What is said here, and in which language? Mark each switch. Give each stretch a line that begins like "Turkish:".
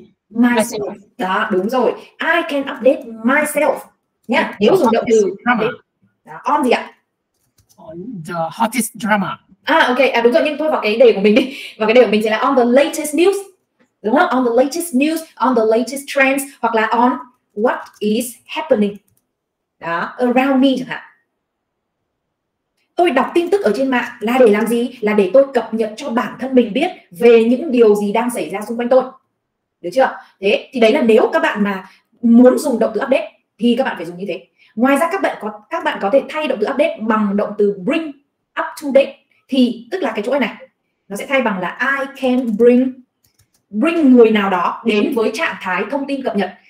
English: myself. myself.
Vietnamese: Đó, đúng rồi.
English: I can update myself. The
Vietnamese: Nha, nếu dùng động từ update.
English: hottest
Vietnamese: Đó, on gì ạ?
English: drama. The hottest
Vietnamese: À, ok. À, đúng rồi. Nhưng thôi vào cái đề của mình đi. Vào cái đề của mình sẽ là
English: on the latest news.
Vietnamese: Đúng không?
English: On the latest news, on the latest trends.
Vietnamese: Hoặc là
English: on what is happening.
Vietnamese: Đó,
English: around me
Vietnamese: chẳng hạn. Tôi đọc tin tức ở trên mạng là để làm gì? Là để tôi cập nhật cho bản thân mình biết về những điều gì đang xảy ra xung quanh tôi. Được chưa? Thế thì đấy là nếu các bạn mà muốn dùng động từ update thì các bạn phải dùng như thế. Ngoài ra các bạn có thể thay động từ update bằng động từ
English: bring up to date,
Vietnamese: thì tức là cái chỗ này nó sẽ thay bằng là
English: I can bring bring
Vietnamese: người nào đó đến với trạng thái thông tin cập nhật.